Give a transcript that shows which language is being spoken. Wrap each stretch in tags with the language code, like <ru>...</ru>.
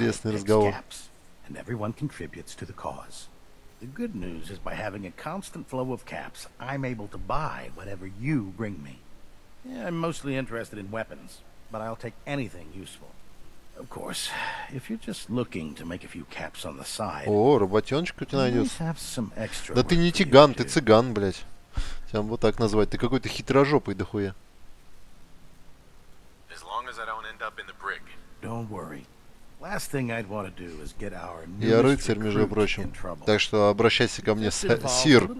<en>takes gaps, and everyone contributes to the cause. The good news is by having a constant flow of caps, I'm able to buy whatever you bring me. Yeah, I'm mostly interested in weapons, but I'll take anything useful. Of course, if you're just looking to make a few caps on the side...</en> <ru>О, работёночка у тебя найдётся.</ru> <en>Have some extra.</en> <ru>Да ты не тиган, ты цыган, блядь. Тебя вот так назвать. Ты какой-то хитрожопый, дохуя.</ru> <en>As long as I don't end up in the brig. Don't worry. Last thing I'd want to do is get our new...</en> <ru>Я рыцарь, между прочим. Так что обращайся ко мне, сир.</ru>